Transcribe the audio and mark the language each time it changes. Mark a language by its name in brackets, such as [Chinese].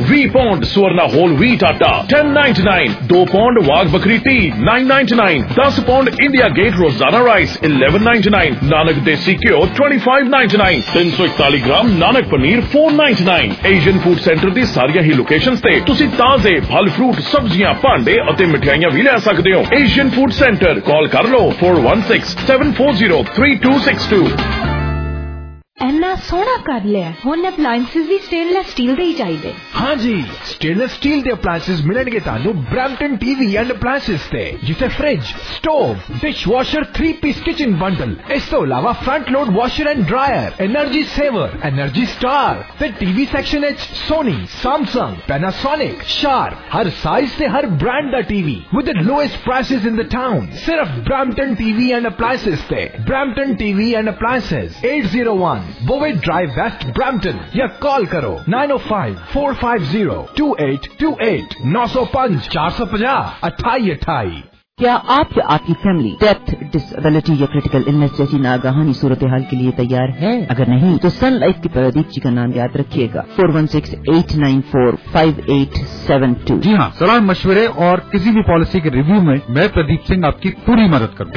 [Hindi] We pond Suvarna whole wheat आटा 10.99, 2 pond वाग बकरी टी 9.99, 10 पौंड इंडिया गेट रोजाना राइस 11.99, नानक देसी घ्यो 25.99, 341 ग्राम Nanak paneer 4.99। Asian food centre की सारिया ही लोकेशंस से तुसी ताजे फल फ्रूट सब्जियां भांडे और मिठाइयां भी ले सकते हो। एशियन फूड सेंटर, कॉल कर लो 416-740-3262। [Punjabi] ਇੰਨਾ ਸੋਹਣਾ ਕਰ ਲਿਆ, ਹੁਣ ਅਪਲਾਈਂਸਿਸ ਵੀ ਸਟੇਨਲੈਸ ਸਟੀਲ ਦੇ ਹੀ ਚਾਹੀਦੇ। ਹਾਂਜੀ, ਸਟੇਨਲੈਸ ਸਟੀਲ ਦੇ ਅਪਲਾਈਂਸਿਸ ਮਿਲਣਗੇ ਤੁਹਾਨੂੰ ਬ੍ਰੈਮਟਨ ਟੀਵੀ ਐਂਡ ਅਪਲਾਈਂਸਿਸ ਤੇ, ਜਿੱਥੇ fridge, stove, dishwasher, 3-ਪੀਸ kitchen bundle, ਇਸ ਤੋਂ ਇਲਾਵਾ front load washer and dryer, energy saver, energy star, ਤੇ ਟੀਵੀ ਸੈਕਸ਼ਨ ਵਿੱਚ ਸੋਨੀ, ਸੈਮਸੰਗ, ਪੈਨਾਸੋਨਿਕ, ਸ਼ਾਰਪ, ਹਰ ਸਾਈਜ਼ ਤੇ ਹਰ brand ਦਾ TV [English] with the lowest prices in the town, [Punjabi] ਸਿਰਫ Brampton TV and ਅਪਲਾਈਂਸਿਸ ਤੇ। Brampton TV and ਅਪਲਾਈਂਸਿਸ 801 Bowie Drive West, Brampton, [Hindi] या call करो [Punjabi] 905-450-2828, 905-450-2828। [Hindi] क्या आप या आपकी फैमिली डेथ, डिसेबिलिटी या क्रिटिकल इलनेस जैसी नागहानी सूरत हाल के लिए तैयार है? अगर नहीं तो सन लाइफ के प्रदीप जी का नाम याद रखिएगा 416-894-5872। जी हाँ, सलाह मशवरे और किसी भी पॉलिसी के रिव्यू में मैं प्रदीप सिंह आपकी पूरी मदद करूँगा।